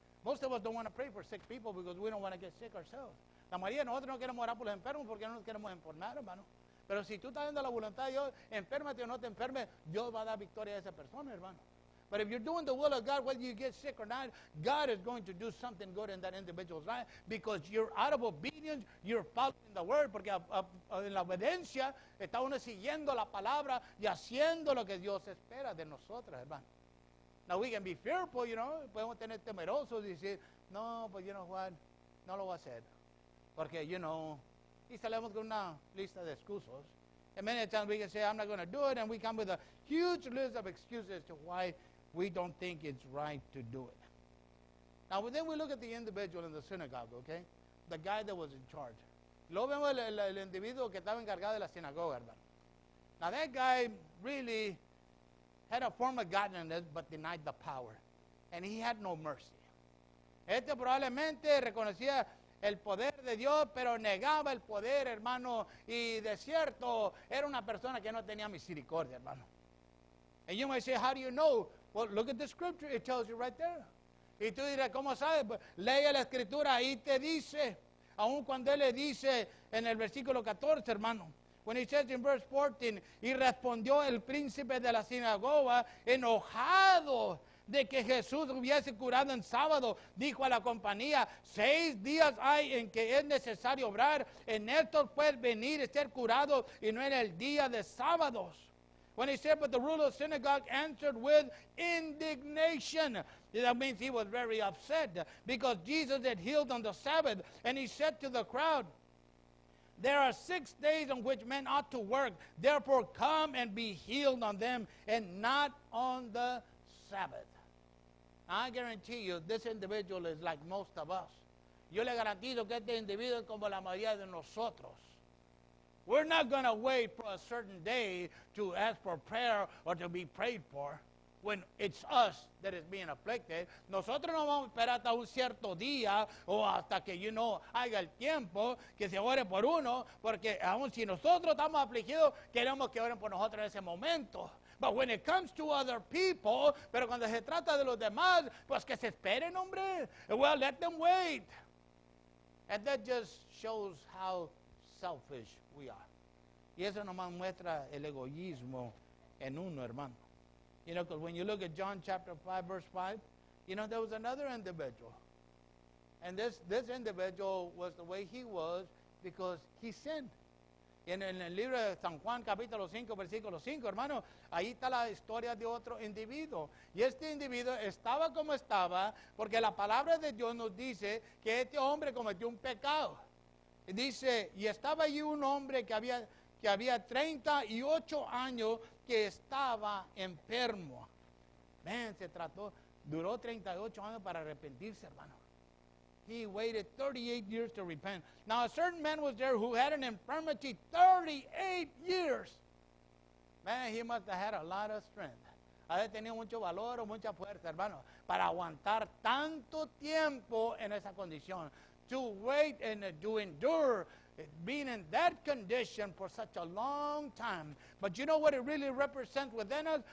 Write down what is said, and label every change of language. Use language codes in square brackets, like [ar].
[en] Most of us don't want to pray for sick people because we don't want to get sick ourselves. [es] La mayoría de nosotros no queremos orar por los enfermos porque no nos queremos enfermar, hermano. Pero si tú estás viendo la voluntad de Dios, enférmate o no te enfermes, Dios va a dar victoria a esa persona, hermano. [en] But if you're doing the will of God, whether you get sick or not, God is going to do something good in that individual's life because you're out of obedience, you're following the word. [es] Porque en la obediencia está uno siguiendo la palabra y haciendo lo que Dios espera de nosotros, hermano. [en] Now we can be fearful, you know. [es] Podemos tener temerosos y decir, no, [en] but you know what? [es] No lo voy a hacer. Porque, you know, y salimos con una lista de excusas. [en] And many times we can say, I'm not going to do it. And we come with a huge list of excuses to why we don't think it's right to do it. Now, then we look at the individual in the synagogue, okay? The guy that was in charge. [es] Lo vemos el individuo que estaba encargado de la sinagoga, hermano. [en] Now, that guy really had a form of godliness, but denied the power. And he had no mercy. [es] Este probablemente reconocía el poder de Dios, pero negaba el poder, hermano. Y de cierto, era una persona que no tenía misericordia, hermano. [en] And you might say, how do you know? Well, look at the scripture. It tells you right there. [es] Y tú dirás, ¿cómo sabes? Lee la escritura, ahí te dice. Aun cuando él le dice en el versículo 14, hermano. [en] When he says in verse 14, [es] y respondió el príncipe de la sinagoga, enojado de que Jesús hubiese curado en sábado, dijo a la compañía, seis días hay en que es necesario obrar, en estos puedes venir y ser curado, y no en el día de sábados. [en] When he said, but the ruler of the synagogue answered with indignation. That means he was very upset, because Jesus had healed on the Sabbath, and he said to the crowd, there are 6 days on which men ought to work. Therefore, come and be healed on them and not on the Sabbath. I guarantee you, this individual is like most of us. [es] Yo le garantizo que este individuo es como la mayoría de nosotros. [en] We're not going to wait for a certain day to ask for prayer or to be prayed for when it's us that is being afflicted. [es] Nosotros no vamos a esperar hasta un cierto día o hasta que, you know, haya el tiempo que se ore por uno, porque aun si nosotros estamos afligidos, queremos que oren por nosotros en ese momento. [en] But when it comes to other people, [es] pero cuando se trata de los demás, pues que se esperen, hombre. [en] Well, let them wait. And that just shows how selfish we are. [es] Y eso nomás muestra el egoísmo en uno, hermano. [en] You know, because when you look at John chapter 5, verse 5, you know, there was another individual. And this individual was the way he was because he sinned. [es] En el libro de San Juan, capítulo 5, versículo 5, hermano, ahí está la historia de otro individuo. Y este individuo estaba como estaba porque la palabra de Dios nos dice que este hombre cometió un pecado. Y dice, y estaba allí un hombre que había 38 años que estaba enfermo. Man, se trató, duró 38 años para arrepentirse, hermano. [en] He waited 38 years to repent. Now, a certain man was there who had an infirmity 38 years. Man, he must have had a lot of strength. [es] Había tenido mucho valor o mucha fuerza, hermano, para aguantar tanto tiempo en esa condición. [en] To wait and to endure being in that condition for such a long time. But you know what it really represents within us?